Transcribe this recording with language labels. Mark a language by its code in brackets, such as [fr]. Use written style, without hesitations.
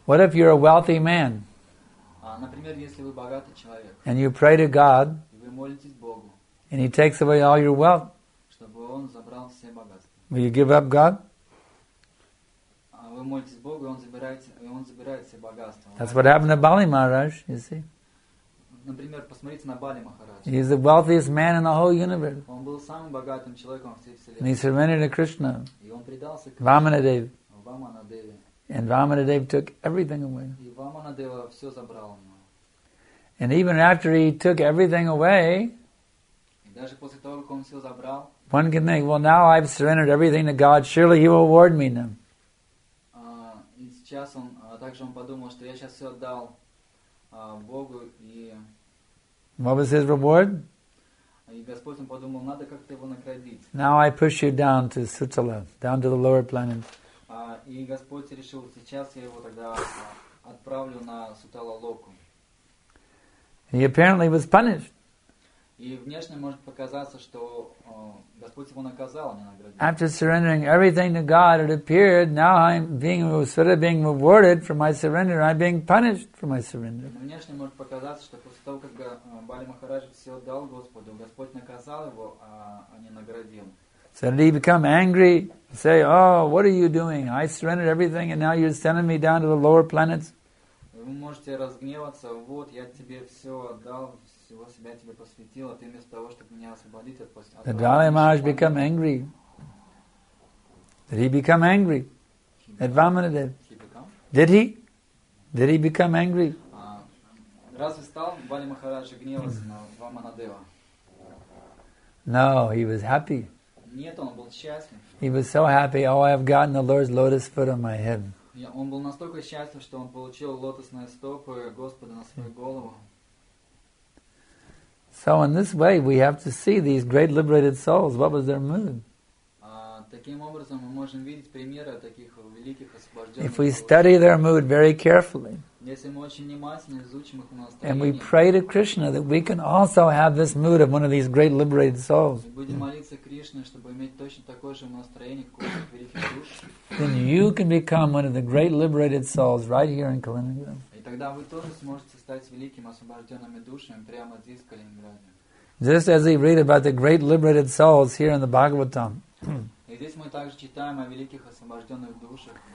[en] What if you're a wealthy man? [ru] Например, если вы богатый человек. [en] And you pray to God. [ru] И вы молитесь Богу. [en] And He takes away all your wealth. [ru] Чтобы Он забрал все богатства. [en] Will you give up God? [ru] Вы молитесь Богу, и он забирает все богатства. [en] That's what happened to Bali Maharaj, you see. [ru] Например, посмотрите на Бали Махарадж. [en] He is the wealthiest man in the whole universe. [ru] Он был самым богатым человеком во всей вселенной. [en] And he surrendered to Krishna. [ru] И он предался Кришне. Vamanadev. [en] Vamanadev. And Vamanadev took everything away. [ru] И Vamanadev все забрал. [en] And even after he took everything away, [ru] и даже после того, как он все забрал, [en] one can think, well, now I've surrendered everything to God. Surely He will reward me now. [ru] Сейчас он также он подумал, что я сейчас все отдал Богу и. [en] What was his reward? [ru] И Господь он подумал, надо как-то его наградить. [en] Now I push you down to Sutala, down to the lower planet. [ru] И Господь решил, сейчас я его тогда отправлю на Сутала Локу. [en] He apparently was punished. [ru] И внешне может показаться, что Господь его наказал, а не наградил. [en] After surrendering everything to God, it appeared now I'm being sort of being rewarded for my surrender, I'm being punished for my surrender. [ru] Внешне может показаться, что после того, как Бали Махарадж все отдал Господу, Господь наказал его, а не наградил. [en] So did he become angry? Say, oh, what are you doing? I surrendered everything, and now you're sending me down to the lower planets. [ru] Вы можете разгневаться. Вот я тебе все отдал. Всего себя тебе посвятил, а ты вместо того, чтобы меня освободить от пости. [en] Did Bali Maharaj become angry? Did he become angry? At Vamanadev? Did he? Did he become angry? [ru] Разве стал Бали Махарадж гневаться на Vamanadeva? [en] No, he was happy. [ru] Нет, он был счастлив. [en] He was so happy. Oh, I have gotten the Lord's lotus foot on my head. [ru] Он был настолько счастлив, что он получил лотосные стопы Господа на свою голову. [en] So in this way, we have to see these great liberated souls. What was their mood? [ru] Таким образом, мы можем видеть примеры таких великих освобожденных. [en] If we study their mood very carefully, [ru] если мы очень внимательно изучим их настроение, [en] and we pray to Krishna that we can also have this mood of one of these great liberated souls, [ru] будем молиться Кришне, чтобы иметь точно такое же настроение, как у этих великих душ, [en] then you can become one of the great liberated souls right here in Kaliningrad. [ru] Тогда вы тоже сможете стать великим освобожденными душами прямо здесь, в Калининграде. [en] Just as we read about the great liberated souls here in the Bhagavatam. [ru] И здесь мы также читаем о великих освобожденных душах.